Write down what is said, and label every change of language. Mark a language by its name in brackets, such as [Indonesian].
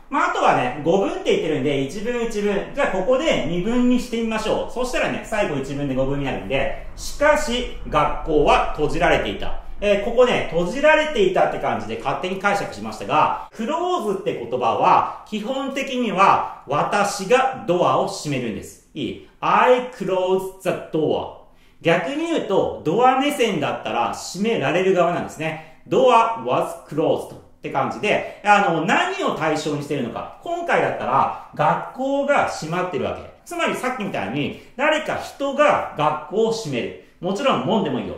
[Japanese] まああとはね、語文って言ってるんで1文1文、じゃあここで2文にしてみましょう。そしたらね、最後1文で語文になるんで、しかし学校は閉じられていた。ここね、閉じられていたって感じで勝手に解釈しましたが、クローズって言葉は基本的には私がドアを閉めるんです。いい ? [English] I close the door。 [Japanese] 逆に言うとドア目線だったら閉められる側なんですね。 [English] Door was closed [Japanese] って感じで、何を対象にしてるのか。今回だったら学校が閉まってるわけ。つまりさっきみたいに誰か人が学校を閉める。もちろん門でもいいよ。